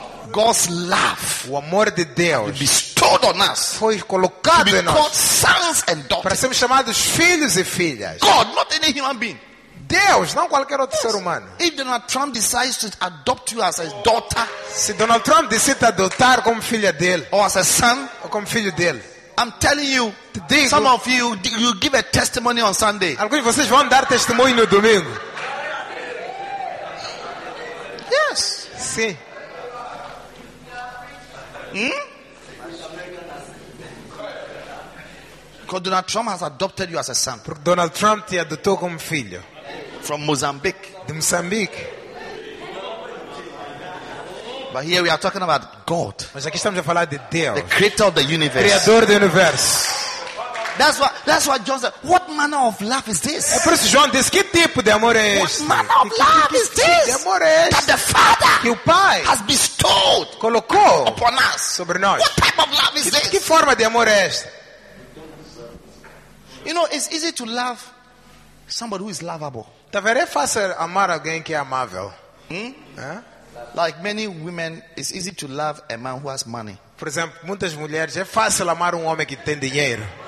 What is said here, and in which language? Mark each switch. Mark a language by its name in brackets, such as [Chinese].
[English] God's love, [Portuguese] o amor de Deus, [English] bestowed on us, [Portuguese] foi colocado em nós, [English] sons and daughters, [Portuguese] para sermos chamados filhos e filhas. [English] God, not any human being. [Portuguese] Deus, não qualquer outro ser humano. [English] If Donald Trump decides to adopt you as a daughter, [Portuguese] se Donald Trump decide adotar como filha dele, [English] or as a son, [Portuguese] ou como filho dele. [English] I'm telling you, some of you, you give a testimony on Sunday. [Portuguese] Alguns de vocês vão dar testemunho no domingo. [English] Yes. [Portuguese] Sim. [English] Because Donald Trump has adopted you as a son. [Portuguese] Porque Donald Trump te adotou como filho. [English] From Mozambique. [Portuguese] De Moçambique. [English] But here we are talking about God. [Portuguese] Mas aqui estamos a falar de Deus. [English] The creator of the universe. [Portuguese] Criador do universo. [English] That's what John said. What manner of love is this? [Portuguese] É por isso João disse, que tipo de amor é este? [English] What manner of love is this? [Portuguese] De amor é este? [English] That the Father, [Portuguese] que o Pai, [English] has bestowed, [Portuguese] colocou [English] upon us, [Portuguese] sobre nós. [English] What type of love is this? [Portuguese] Que forma de amor é este? [English] You know, it's easy to love somebody who is lovable. [Portuguese] Tá vendo? É fácil amar alguém que é amável. [English] Like many women, it's easy to love a man who has money. [Portuguese] Por exemplo, muitas mulheres é fácil amar homem que tem dinheiro.